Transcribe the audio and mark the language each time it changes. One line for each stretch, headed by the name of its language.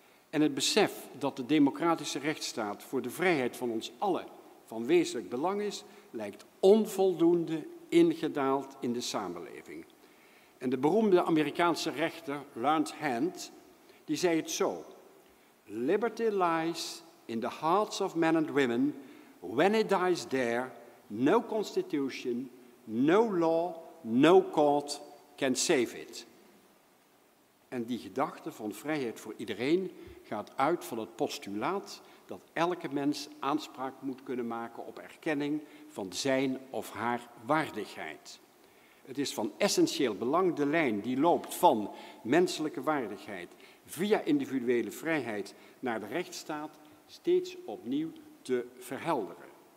Dutch: En het besef dat de democratische rechtsstaat voor de vrijheid van ons allen van wezenlijk belang is, lijkt onvoldoende ingedaald in de samenleving. En de beroemde Amerikaanse rechter, Lance Hand, die zei het zo.
English: Liberty lies in the hearts of men and women. When it dies there, no constitution, no law, no court can save it.
Dutch: En die gedachte van vrijheid voor iedereen gaat uit van het postulaat dat elke mens aanspraak moet kunnen maken op erkenning van zijn of haar waardigheid. Het is van essentieel belang de lijn die loopt van menselijke waardigheid via individuele vrijheid naar de rechtsstaat steeds opnieuw te verhelderen.